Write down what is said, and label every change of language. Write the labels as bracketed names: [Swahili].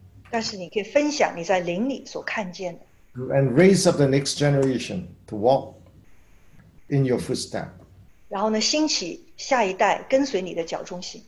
[Chinese] 但是你可以分享你在灵里所看见的。 [English] And raise up the next generation to walk in your footstep. [Chinese] 然后呢，兴起下一代跟随你的脚中心。